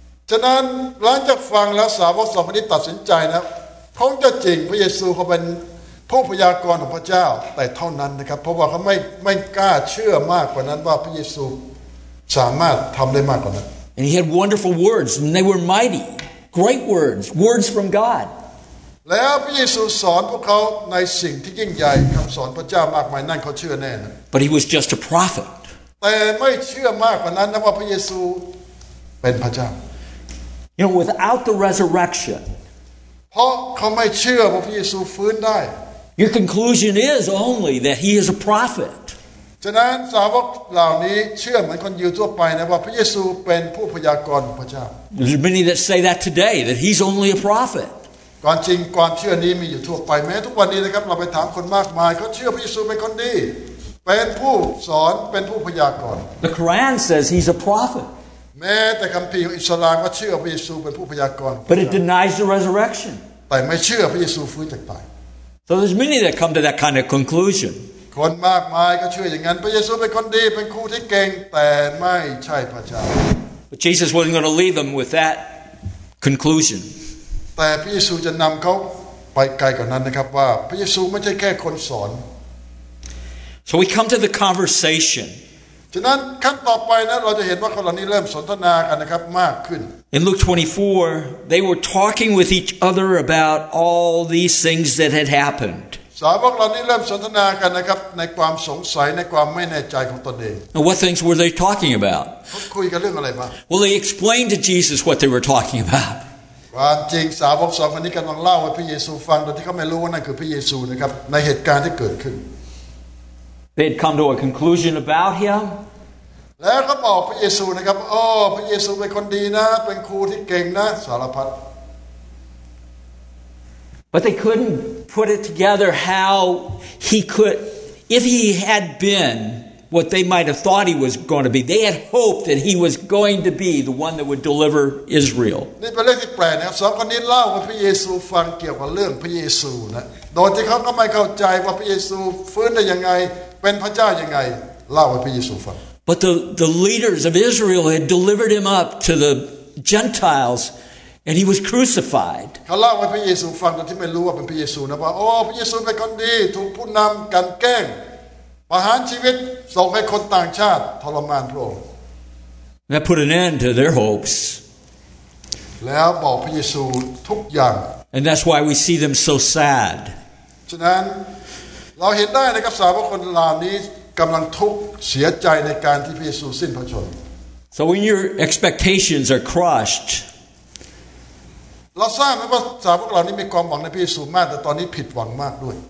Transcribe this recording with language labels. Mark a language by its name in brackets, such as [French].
[Thai] ฉะนั้นหลังจากฟังแล้วสาวกสองคนนี้ตัดสินใจนะคงจะจริงพระเยซูเขาเป็นผู้พยากรณ์ของพระเจ้าแต่เท่านั้นนะครับเพราะว่าเขาไม่กล้าเชื่อมากกว่านั้นว่าพระเยซูสามารถทําได้มากกว่านั้น [English] and he had wonderful words and they were mighty great words from god [Thai] แล้วพระเยซูสอนพวกเขาในสิ่งที่ยิ่งใหญ่คำสอนพระเจ้ามากมายนั่นเขาเชื่อแน่นะ [English] But he was just a prophet [Thai] แต่ไม่เชื่อมากกว่านั้นนะว่าพระเยซูเป็นพระเจ้า [English] You know without the resurrection [Thai] เพราะเขาไม่เชื่อว่าพระเยซูฟื้นได้ [English] Your conclusion is only that he is a prophet [Thai] ฉะนั้นสาวกเหล่านี้เชื่อเหมือนคนยิวทั่วไปนะว่าพระเยซูเป็นผู้พยากรณ์พระเจ้า [English] There's many that say that today that he's only a prophet [Thai] ความจริงความเชื่อนี้มีอยู่ทั่วไปแม้ทุกวันนี้นะครับเราไปถามคนมากมายเขาเชื่อพระเยซูเป็นคนดีเป็นผู้สอนเป็นผู้พยากรณ์ [English] The Quran says he's a prophet [Thai] แม้แต่คัมภีร์ของอิสลามก็เชื่อพระเยซูเป็นผู้พยากรณ์ [English] But it denies the resurrection [Thai] แต่ไม่เชื่อพระเยซูฟื้นจากตาย [English] So there's many that come to that kind of conclusion [Thai] คนมากมายก็เชื่ออย่างนั้นพระเยซูเป็นคนดีเป็นครูที่เก่งแต่ไม่ใช่พระเจ้า [English] But Jesus wasn't going to leave them with that conclusion [Thai] แต่พระเยซูจะนำเขาไปไกลกว่านั้นนะครับว่าพระเยซูไม่ใช่แค่คนสอน [English] So we come to the conversation [Thai] ฉะนั้นขั้นต่อไปนะเราจะเห็นว่าคนเหล่านี้เริ่มสนทนากันนะครับมากขึ้น [English] In Luke 24 they were talking with each other about all these things that had happened [Thai] สาวกเหล่านี้เริ่มสนทนากันนะครับในความสงสัยในความไม่แน่ใจของตนเอง [English] And what things were they talking about [Thai] คุยกันเรื่องอะไรบ้าง [English] Well they explained to Jesus what they were talking about [Thai] ความจริงสาวกสองคนนี้กำลังเล่าให้พระเยซูฟังโดยที่เขาไม่รู้ว่านั่นคือพระเยซูนะครับในเหตุการณ์ที่เกิดขึ้น [English] They had come to a conclusion about him [Thai] แล้วเขาบอกพระเยซูนะครับโอ้พระเยซูเป็นคนดีนะเป็นครูที่เก่งนะสารพัด [English] But they couldn't put it together how he could if he had beenWhat they might have thought he was going to be. They had hoped that he was going to be the one that would deliver Israel. [Thai] นี่เป็นเรื่องที่แปลกนะครับสองคนนี้เล่าให้พระเยซูฟังเกี่ยวกับเรื่องพระเยซูนะโดยที่เขาก็ไม่เข้าใจว่าพระเยซูฟื้นได้ยังไงเป็นพระเจ้ายังไงเล่าให้พระเยซูฟัง [English] But the leaders of Israel had delivered him up to the Gentiles and he was crucified. [Thai] เขาเล่าให้พระเยซูฟังโดยที่ไม่รู้ว่าเป็นพระเยซูนะว่าโอ้พระเยซูเป็นคนดีถูกผู้นำกันแกล้งประหารชีวิตส่งให้คนต่างชาติทรมานพระองค์ [English] That put an end to their hopes [Thai] แล้วบอกพระเยซูทุกอย่าง [English] And that's why we see them so sad [Thai] ฉะนั้นเราเห็นได้นะครับสาวกคนเหล่านี้กำลังทุกข์เสียใจในการที่พระเยซูสิ้นพระชน [English] So when your expectations are crushed [Thai] เราทราบไหมว่าสาวกเหล่านี้มีความหวังในพระเยซูมากแต่ตอนนี้ผิดหวังมากด้วย